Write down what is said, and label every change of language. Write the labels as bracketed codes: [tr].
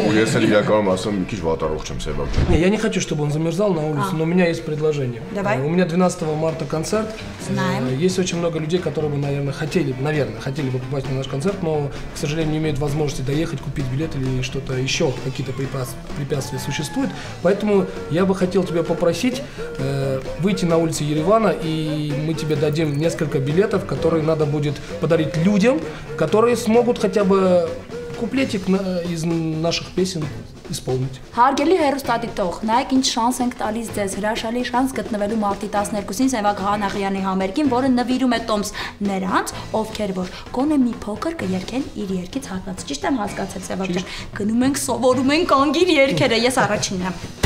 [hy] Ու ես էլ իրականում ասեմ, մի քիչ վատառող չեմ Սևակ [ru] ջան։ Я не хочу, чтобы он замерзал на улице, но у меня есть предложение. У меня 12 марта концерт. Есть очень много людей, которые бы, наверное, хотели бы попасть на наш концерт, но, к сожалению, не имеют возможности доехать, купить билет или что-то еще, какие-то препятствия существуют. Поэтому я бы хотел тебя попросить выйти на улицу Еревана, и мы тебе дадим несколько билетов, которые надо будет подарить людям, которые смогут хотя бы куплетик из наших песен. [hy] Հարգելի հեռուստատիտող, նայեք ինչ շանս ենք տալիս ձեզ, հրաշալի շանս գտնվելու մարտի 12-ին Սևակ Հանաղյանի համերգին, որը նվիրում է տոմս նրանց, ովքեր որ գոնե մի փոքր կերկեն իր երգից հատված։ Ճիշտ եմ հասկացել, Սևակ ջան, գնում ենք սովորում ենք անգիր երգերը, ես առաջինն եմ։